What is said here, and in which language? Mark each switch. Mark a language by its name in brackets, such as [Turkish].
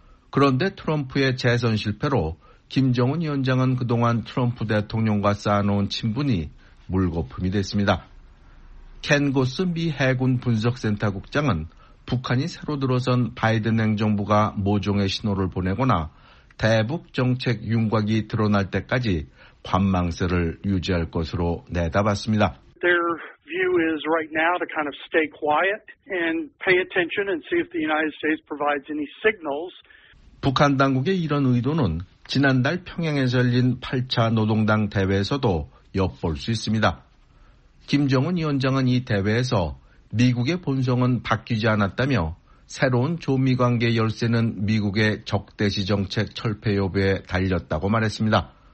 [Korean] 그런데 트럼프의 재선 실패로 김정은 위원장은 그동안 트럼프 대통령과 쌓아놓은 친분이 물거품이 됐습니다. 켄 고스 미 해군 분석센터 국장은 북한이 새로 들어선 바이든 행정부가 모종의 신호를 보내거나 대북 정책 윤곽이 드러날 때까지 관망세를 유지할 것으로 내다봤습니다. [English] Their view is right now to kind of stay quiet and pay attention and see if the United States provides any signals. [Korean] 북한 당국의 이런 의도는 지난달 평양에서 열린 8차 노동당 대회에서도 엿볼 수 있습니다. 김정은 위원장은 이 대회에서 미국의 본성은 바뀌지 않았다며 새로운 조미관계 열쇠는 미국의 적대시 정책 철폐 여부에 달렸다고 말했습니다.